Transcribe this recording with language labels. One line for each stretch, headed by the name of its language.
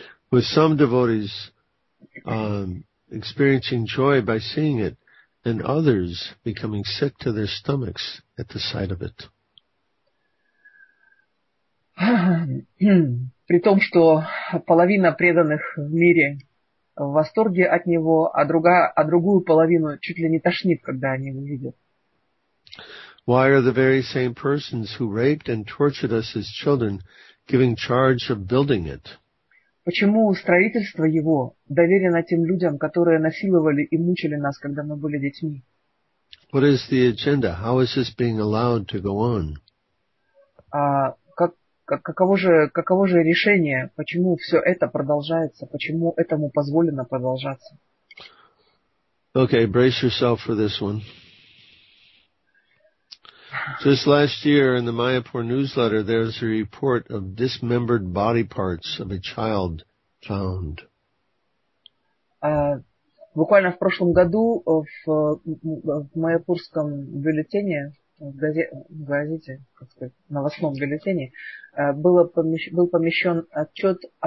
English: With some devotees experiencing joy by seeing it, and others becoming sick to their stomachs at the sight of it.
Russian: При том, что половина преданных в мире в восторге от него, а другую половину чуть ли не тошнит, когда они его видят.
English: Why are the very same persons who raped and tortured us as children giving charge of building it?
Russian: Почему строительство его доверено тем людям, которые насиловали и мучили нас, когда мы были детьми?
English: What is the agenda? How is this being allowed to go on?
Russian: Каково же решение? Почему все это продолжается? Почему этому позволено продолжаться?
English: Okay, brace yourself for this one. Just last year in the Mayapur newsletter, there was a report of dismembered body parts of a child found.
Russian: Буквально в прошлом году в Майапурском бюллетене, в газете, как сказать, новостном бюллетене, был помещен отчет